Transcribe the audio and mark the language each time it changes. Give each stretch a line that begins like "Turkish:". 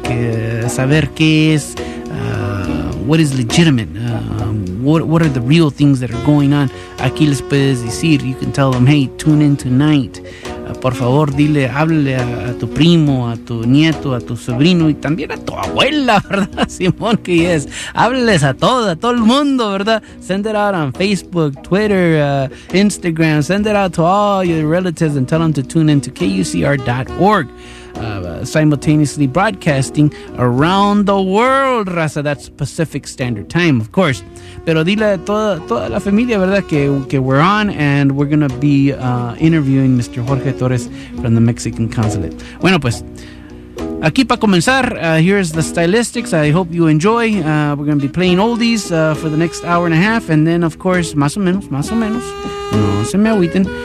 Spanish: Que saber qué es
English: what is legitimate, what are the real things that are going on.
Spanish: Aquí les puedes decir,
English: you can tell them, hey, tune in tonight.
Spanish: Por favor, dile, háblale a tu primo, a tu nieto, a tu sobrino y también a tu abuela, ¿verdad, Simón? Que es, háblales a todo el mundo, ¿verdad?
English: Send it out on Facebook, Twitter, Instagram. Send it out to all your relatives and tell them to tune in to KUCR.org. Simultaneously broadcasting around the world, raza. That's Pacific Standard Time, of course.
Spanish: Pero dile a toda la familia, ¿verdad?
English: Que we're on and we're going to be interviewing Mr. Jorge Torres from the Mexican Consulate.
Spanish: Bueno, pues, aquí para comenzar,
English: here's the stylistics. I hope you enjoy. We're going to be playing oldies for the next hour and a half. And then, of course,
Spanish: más o menos, no se me agüiten.